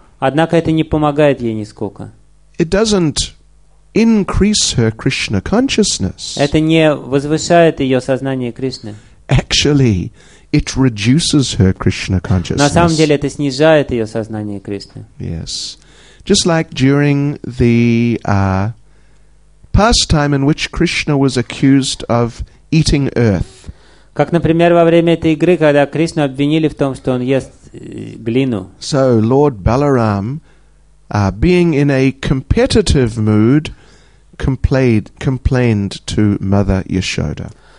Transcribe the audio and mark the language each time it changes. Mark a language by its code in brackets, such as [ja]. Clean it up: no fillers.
[ru] Однако это не помогает ей нисколько. [en] It doesn't increase her Krishna consciousness. [ru] Это не возвышает ее сознание Кришны. [en] Actually, it reduces her Krishna consciousness. [ru] На самом деле это снижает ее сознание Кришны. [en] Yes. Just like during the pastime in which Krishna was accused of eating earth. [ru] Как, например, во время этой игры, когда Кришну обвинили в том, что он ест глину. [en] So Lord Balaram, being in a competitive mood, complained to Mother Yashoda.